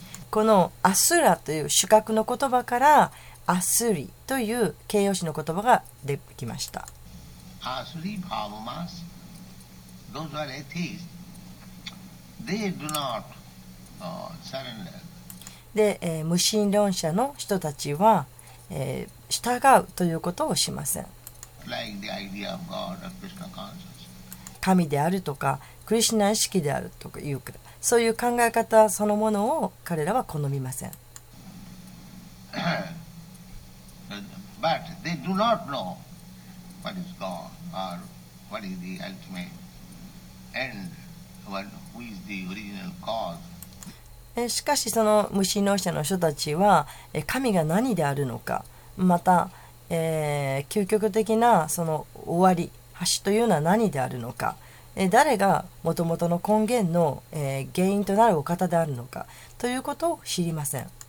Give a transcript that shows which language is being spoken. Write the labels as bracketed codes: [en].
[ja] このアスラという主格の言葉からアスリという形容詞の言葉が出てきました。 [en] アスリ、パーボマス、those are atheists, They do not surrender. [ja] で、無神論者の人たちは、従うということをしません。 [en] Like the idea of God and Krishna consciousness. [ja] 神であるとか、クリシナ意識であるとかいうか、そういう考え方そのものを彼らは好みません。 [en] But they do not know what is God or what is the ultimate end, who is the original cause. [ja] しかしその無神論者の人たちは神が何であるのか、また、究極的なその終わり橋というのは何であるのか、誰がもともとの根源の、原因となるお方であるのかということを知りません。